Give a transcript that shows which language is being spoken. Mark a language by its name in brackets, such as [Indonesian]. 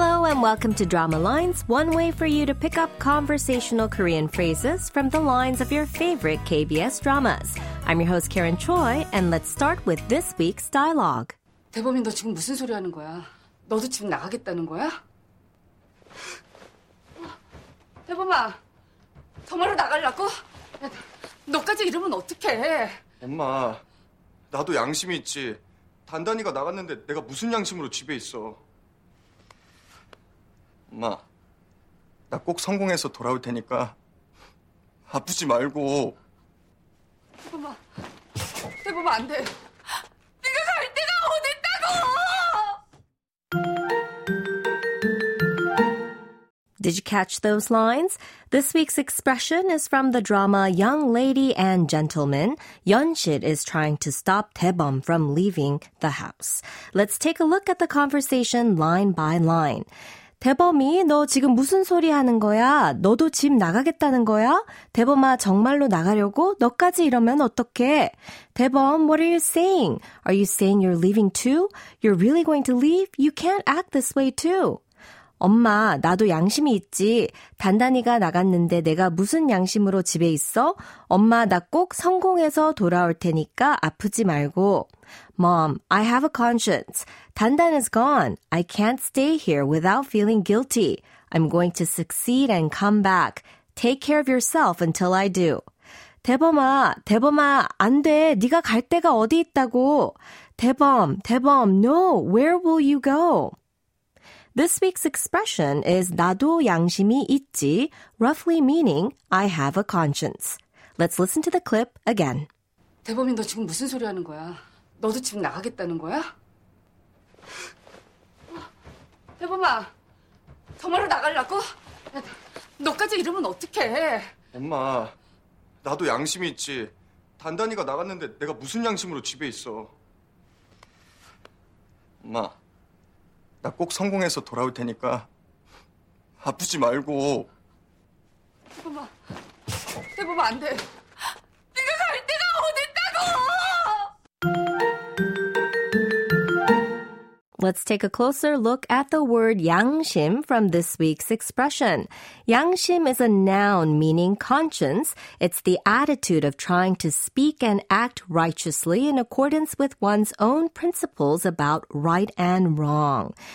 [English] and welcome to Drama Lines, one way for you to pick up conversational Korean phrases from the lines of your favorite KBS dramas. I'm your host Karen Choi, and let's start with this week's dialogue. [Korean] 대범이 너 지금 무슨 소리 하는 거야? 너도 지금 나가겠다는 거야? 대범아, 정말로 나가려고? 너까지 이러면 어떡해? 엄마, 나도 양심이 있지. 단단이가 나갔는데 내가 무슨 양심으로 집에 있어. 엄마, 나 꼭 성공해서 돌아올 테니까 아프지 말고. 대범아, 대범아 안 돼. 네가 갈 데가 어딨다고! [English] Did you catch those lines? This week's expression is from the drama Young Lady and Gentleman. Yeonshit is trying to stop Daebom from leaving the house. Let's take a look at the conversation line by line. [Korean] 대범이 너 지금 무슨 소리 하는 거야? 너도 집 나가겠다는 거야? 대범아 정말로 나가려고? 너까지 이러면 어떡해? [English] 대범, what are you saying? Are you saying you're leaving too? You're really going to leave? You can't act this way too. [Korean] 엄마, 나도 양심이 있지. 단단이가 나갔는데 내가 무슨 양심으로 집에 있어? 엄마, 나 꼭 성공해서 돌아올 테니까 아프지 말고. [English] Mom, I have a conscience. Dandan is gone. I can't stay here without feeling guilty. I'm going to succeed and come back. Take care of yourself until I do. [Korean] 대범아, 대범아, 안 돼. 네가 갈 데가 어디 있다고. [English] 대범, 대범, no. Where will you go? This week's expression is [Korean] 나도 양심이 있지, [English] roughly meaning I have a conscience. Let's listen to the clip again. [Korean] 대범이 너 지금 무슨 소리 하는 거야? 너도 지금 나가겠다는 거야? 대범아, 정말로 나가려고? 너까지 이러면 어떡해? 엄마, 나도 양심이 있지. 단단이가 나갔는데 내가 무슨 양심으로 집에 있어? 엄마, 나 꼭 성공해서 돌아올 테니까 아프지 말고. 대범아, 대범아 안 돼. 네가 갈 데가 어디 있다고! [English] Let's take a closer look at the word 양심 from this week's expression. 양심 is a noun meaning conscience. It's the attitude of trying to speak and act righteously in accordance with one's own principles about right and wrong.